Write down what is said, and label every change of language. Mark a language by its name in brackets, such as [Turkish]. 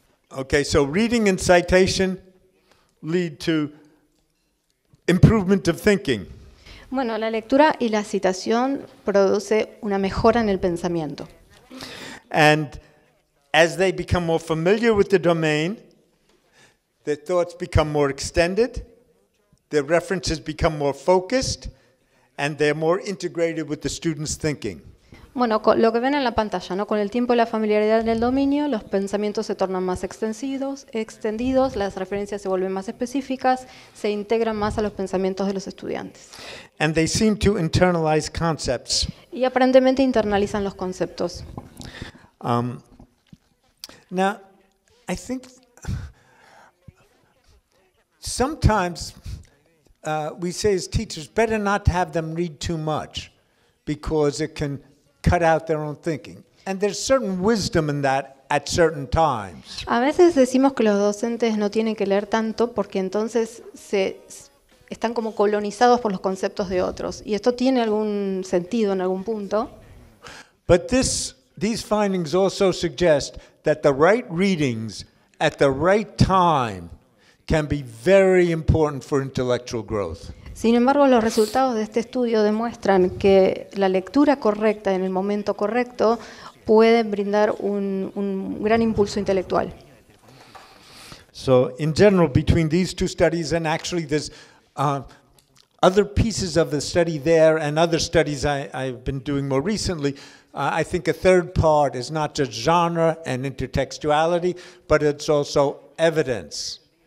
[English] Okay, so reading and citation lead to improvement of thinking. [Spanish] Bueno, la lectura y la citación produce una mejora en el pensamiento. [English] And as they become more familiar with the domain, their thoughts become more extended, their references become more focused, and they're more integrated with the student's thinking. [Spanish] Bueno, lo que ven en la pantalla, ¿no? Con el tiempo y la familiaridad en el dominio, los pensamientos se tornan más extendidos, las referencias se vuelven más específicas, se integran más a los pensamientos de los estudiantes. [English] And they seem to internalize concepts. [Spanish] Y aparentemente internalizan los conceptos. [English] Now, I think sometimes we say as teachers, better not to have them read too much because it can cut out their own thinking. And there's certain wisdom in that at certain times. [Spanish] A veces decimos que los docentes no tienen que leer tanto porque entonces están como colonizados por los conceptos de otros. Y esto tiene algún sentido en algún punto. [English] But these findings also suggest that the right readings at the right time can be very important for intellectual growth. [Spanish] Sin embargo, los resultados de este estudio demuestran que la lectura correcta en el momento correcto puede brindar un gran impulso intelectual. [English] So, in general, between these two studies, and actually there's other pieces of the study there and other studies I've been doing more recently, I think a third part is not just genre and intertextuality, but it's also evidence.